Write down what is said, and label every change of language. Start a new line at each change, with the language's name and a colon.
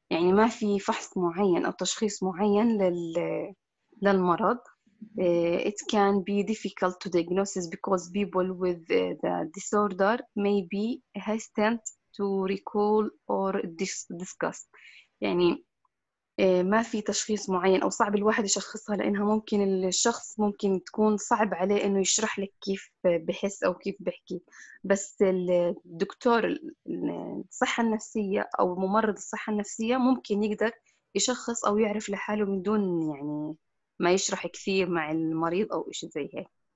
Arabic: يعني ما في فحص معين أو تشخيص معين للمرض.
English: It can be difficult to diagnosis because people with the disorder may be hesitant to recall or discuss.
Arabic: يعني ما في تشخيص معين أو صعب الواحد يشخصها، لأنها ممكن الشخص ممكن تكون صعب عليه أنه يشرح لك كيف بحس أو كيف بحكي، بس الدكتور الصحة النفسية أو ممرض الصحة النفسية ممكن يقدر يشخص أو يعرف لحاله من دون يعني ما يشرح كثير مع المريض أو إشي زي هيك.